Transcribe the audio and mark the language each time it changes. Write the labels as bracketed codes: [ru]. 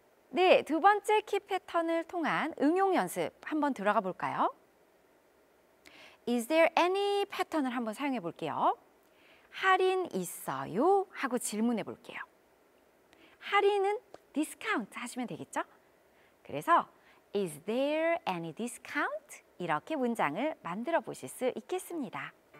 [ko] 네, 두 번째 키 패턴을 통한 응용 연습 한번 들어가 볼까요? [en] Is there any [ko] 패턴을 한번 사용해 볼게요. 할인 있어요? 하고 질문해 볼게요. 할인은 discount 하시면 되겠죠? [en] 그래서 Is there any discount? [ko] 이렇게 문장을 만들어 보실 수 있겠습니다.